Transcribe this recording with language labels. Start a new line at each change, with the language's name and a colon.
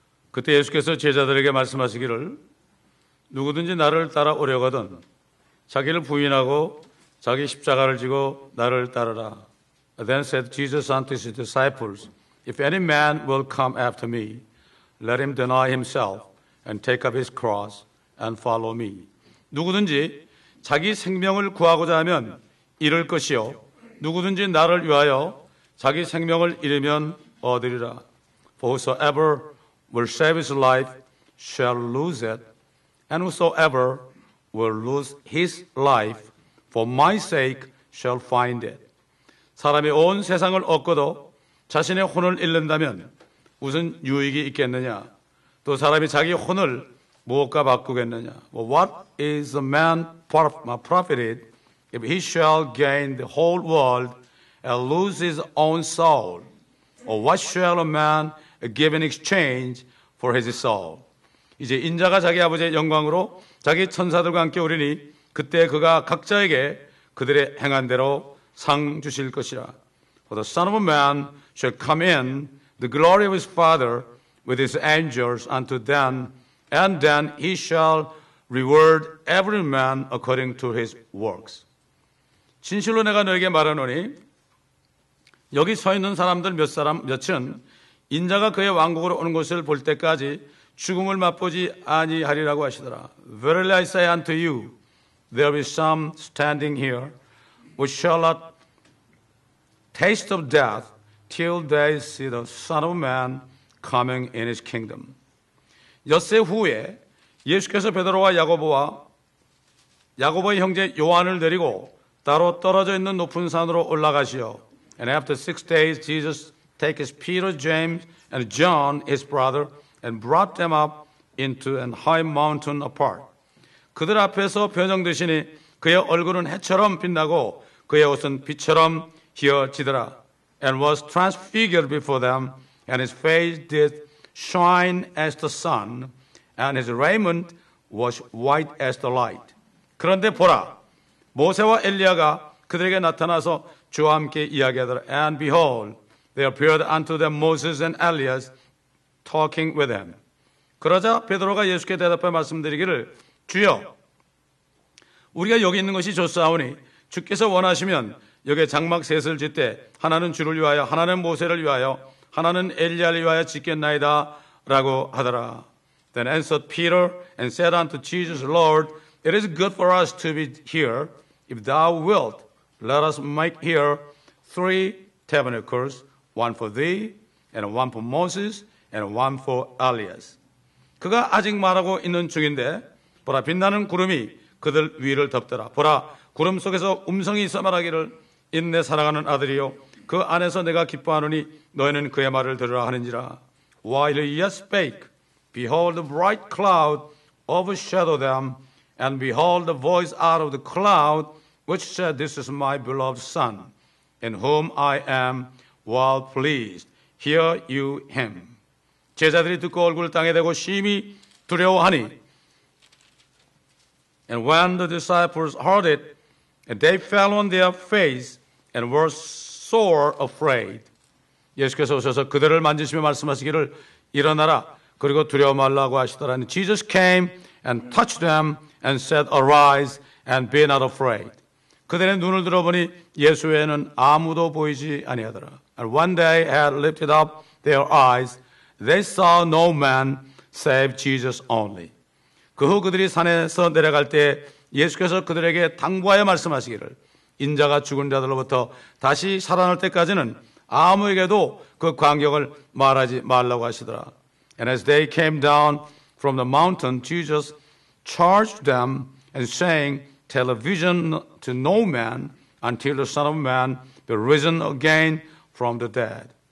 Korean: 그때 예수께서 제자들에게 말씀하시기를 누구든지 나를 따라 오려거든 자기를 부인하고 자기 십자가를 지고 나를 따르라.
English: Then said Jesus unto his disciples, If any man will come after me, let him deny himself and take up his cross and follow me.
Korean: 누구든지 자기 생명을 구하고자 하면 잃을 것이요 누구든지 나를 위하여 자기 생명을 잃으면 얻으리라.
English: For whosoever will save his life, shall lose it, and whosoever will lose his life for my sake shall find it.
Korean: 사람이 온 세상을 얻고도 자신의 혼을 잃는다면 무슨 유익이 있겠느냐? 또 사람이 자기 혼을 무엇과 바꾸겠느냐?
English: Well, what is a man profited If he shall gain the whole world and lose his own soul, or what shall a man give in exchange for his soul?
Korean: 이제 인자가 자기 아버지의 영광으로 자기 천사들과 함께 오리니 그때 그가 각자에게 그들의 행한 대로 상 주실 것이라.
English: For the Son of Man shall come in the glory of his Father with his angels unto them, and then he shall reward every man according to his works.
Korean: 진실로 내가 너에게 말하노니 여기 서 있는 사람들 몇 사람 몇은 인자가 그의 왕국으로 오는 것을 볼 때까지 죽음을 맛보지 아니하리라고 하시더라.
English: Verily I say unto you, there will be some standing here which shall not taste of death till they see the Son of Man coming in his kingdom.
Korean: 엿새 후에 예수께서 베드로와 야고보와 야고보의 형제 요한을 데리고 따로 떨어져 있는 높은 산으로 올라가시어.
English: And after 6 days, Jesus took his Peter, James, and John, his brother, and brought them up into an high mountain apart.
Korean: 그들 앞에서 변형되시니 그의 얼굴은 해처럼 빛나고 그의 옷은 빛처럼 희어지더라.
English: And was transfigured before them, and his face did shine as the sun, and his raiment was white as the light.
Korean: 그런데 보라, 모세와 엘리야가 그들에게 나타나서 주와 함께 이야기하더라.
English: And behold, they appeared unto them Moses and Elias, talking with him.
Korean: 그러자 베드로가 예수께 대답해 말씀드리기를, 주여, 우리가 여기 있는 것이 좋사오니 주께서 원하시면 여기에 장막 셋을 짓되 하나는 주를 위하여 하나는 모세를 위하여 하나는 엘리야를 위하여 짓겠나이다 라고 하더라.
English: Then answered Peter and said unto Jesus, Lord, it is good for us to be here. If thou wilt, let us make here 3 tabernacles, one for thee, and one for Moses, and one for Elias.
Korean: 그가 아직 말하고 있는 중인데, 보라, 빛나는 구름이 그들 위를 덮더라. 보라, 구름 속에서 음성이 있어 말하기를, 인내 사랑하는 아들이요, 그 안에서 내가 기뻐하노니 너희는 그의 말을 들으라 하는지라.
English: While he yet spake, behold, a bright cloud overshadowed them, and behold, a voice out of the cloud, which said, This is my beloved Son, in whom I am well pleased. Hear you him.
Korean: 제자들이 듣고 얼굴 땅에 대고 심히 두려워하니.
English: And when the disciples heard it, they fell on their face and were sore afraid.
Korean: 예수께서 오셔서 그들을 만지시며 말씀하시기를 일어나라 그리고 두려워 말라고 하시더라.
English: Jesus came and touched them and said, Arise and be not afraid.
Korean: 그들의 눈을 들어보니 예수 외에는 아무도 보이지 아니하더라.
English: And when they had lifted up their eyes, they saw no man save Jesus only.
Korean: 그 후 그들이 산에서 내려갈 때 예수께서 그들에게 당부하여 말씀하시기를 인자가 죽은 자들로부터 다시 살아날 때까지는 아무에게도 그 광경을 말하지 말라고 하시더라.
English: And as they came down from the mountain, Jesus charged them and saying, Tell a vision to no man until the Son of Man be risen again from the dead.